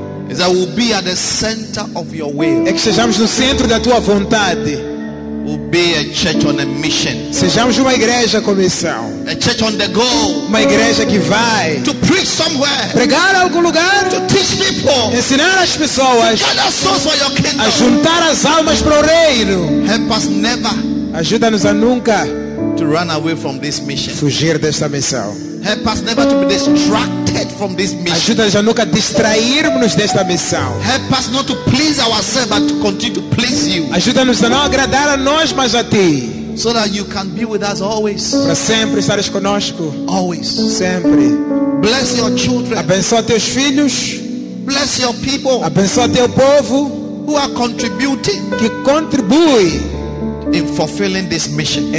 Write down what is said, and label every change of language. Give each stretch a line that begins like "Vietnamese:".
English: is that we'll be at the center of your will.
Portuguese: É que sejamos no centro da tua vontade.
English: We'll be a church on a mission.
Portuguese: Sejamos uma igreja com missão.
English: A church on the go.
Portuguese: Uma igreja que vai.
English: To preach somewhere.
Portuguese: Pregar algum lugar.
English: To teach people.
Portuguese: Ensinar as pessoas.
English: To gather souls for your kingdom.
Portuguese: A juntar as almas para o reino.
English: Help us never.
Portuguese: Ajuda-nos a nunca.
English: To run away from this mission.
Portuguese: Fugir desta missão.
English: Help us never to be distracted from this mission.
Portuguese: Ajuda-nos a nunca distrairmos desta missão.
English: Help us not to please ourselves but to continue to please you.
Portuguese: Ajuda-nos a não agradar a nós, mas a ti.
English: So that you can be with us always.
Portuguese: Para sempre estares conosco.
English: Always.
Portuguese: Sempre.
English: Bless your children.
Portuguese: Abençoa teus filhos.
English: Bless your people.
Portuguese: Abençoa teu povo.
English: Who are contributing.
Portuguese: Que contribui.
English: In fulfilling this mission,